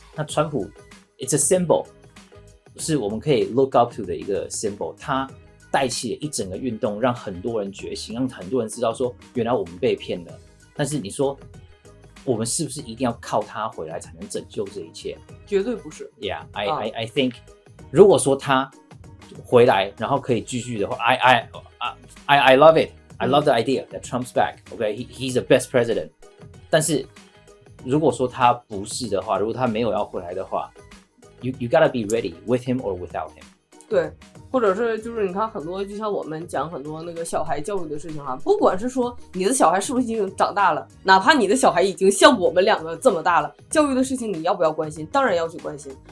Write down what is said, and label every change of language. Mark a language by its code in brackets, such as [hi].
[zh] 那川普 [en] it's a symbol， [zh] 是我们可以 [en] look up to [zh] 的一个 symbol， 他带起了一整个运动，让很多人觉醒，让很多人知道说原来我们被骗了。但是你说我们是不是一定要靠他回来才能拯救这一切？绝对不是。 [en] Yeah， I think， [zh] 如果说他回来，然后可以继续的话 [en] ，I love it， I love the idea that Trump's back， OK， he's the best president。 [zh] 但是如果说他不是的话，如果他没有要回来的话 ， [en] you gotta be ready with him or without him。 [zh] 对，或者是就是你看很多，就像我们讲很多那个小孩教育的事情哈，不管是说你的小孩是不是已经长大了，哪怕你的小孩已经像我们两个这么大了，教育的事情你要不要关心？当然要去关心。